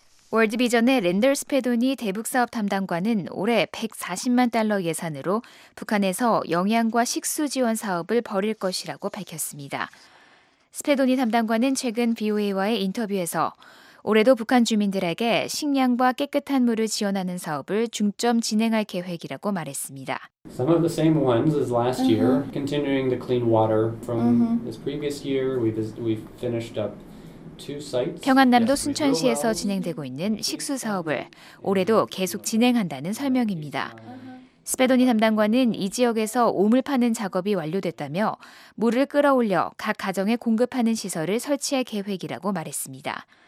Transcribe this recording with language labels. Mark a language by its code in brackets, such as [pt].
[ko] 월드비전의 랜덜 스페도니 대북사업 담당관은 올해 140만 달러 예산으로 북한에서 영양과 식수 지원 사업을 벌일 것이라고 밝혔습니다. 스페도니 담당관은 최근 VOA와의 인터뷰에서 올해도 북한 주민들에게 식량과 깨끗한 물을 지원하는 사업을 중점 진행할 계획이라고 말했습니다. [en] Some of the same ones as last year, continuing the clean water from this previous year, we've finished up. [ko] 평안남도 순천시에서 진행되고 있는 식수 사업을 올해도 계속 진행한다는 설명입니다. 스페도니 담당관은 이 지역에서 오물 파는 작업이 완료됐다며 물을 끌어올려 각 가정에 공급하는 시설을 설치할 계획이라고 말했습니다.